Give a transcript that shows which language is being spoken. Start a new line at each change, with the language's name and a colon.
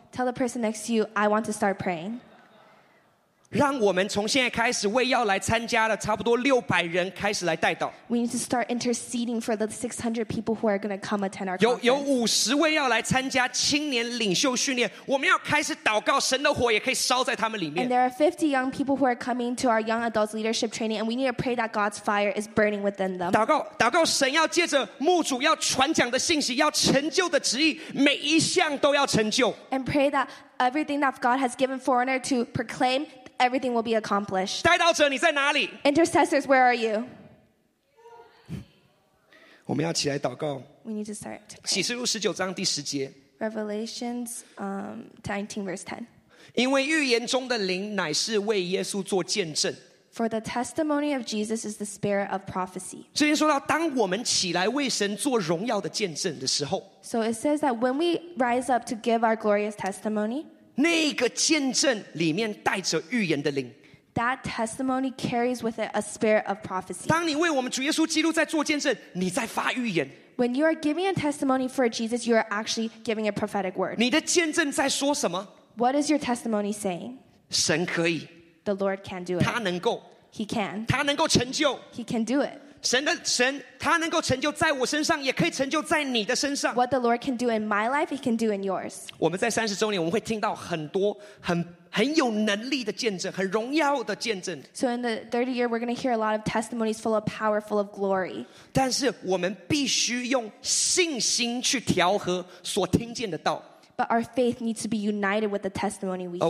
English: Tell the person next to you, I want to start praying.
Chinese: 让我们从现在开始为要来参加的差不多600人开始来代祷。
English: We need to start interceding for the 600 people who are going to come attend our conference.
Chinese: 有50位要来参加青年领袖训练，我们要开始祷告，神的火也可以烧在他们里面。
English: And there are 50 young people who are coming to our young adults leadership training, and we need to pray that God's fire is burning within them.
Chinese: 祷告，神要借着牧主要传讲的信息，要成就的旨意，每一项都要成就。
English: And pray that everything that God has given Forerunner to proclaim. Everything will be accomplished.
Chinese: 代祷者，你在哪里
English: ？Intercessors, where are you?
Chinese: 我们要起来祷告。
English: We need to start.
Chinese: 启示录19:10。
English: Revelations 19:10.
Chinese: 因为预言中的灵乃是为耶稣做见证。
English: For the testimony of Jesus is the spirit of prophecy.
Chinese: 这边说到，当我们起来为神做荣耀的见证的时候，
English: So it says that when we rise up to give our glorious testimony,
Chinese: 那个见证里面带着预言的灵。
English: That testimony carries with it a spirit of prophecy.
Chinese: 当你为我们主耶稣基督在做见证，你在发预言。
English: When you are giving a testimony for Jesus, you are actually giving a prophetic word.
Chinese: 你的见证在说什么？
English: What is your testimony saying?
Chinese: 神可以。
English: The Lord can do it.
Chinese: 他能够。
English: He can.
Chinese: 他能够成就。
English: He can do it.
Chinese: 神的神，他能够成就在我身上，也可以成就在你的身上。
English: What the Lord can do in my life, He can do in yours.
Chinese: 我们在三十周年，我们会听到很多很有能力的见证，很荣耀的见证。
English: So in the 30 year, we're going to hear a lot of testimonies full of power, full of glory.
Chinese: 但是我们必须用信心去调和所听见的道。
English: But our faith needs to be united with the testimony we hear.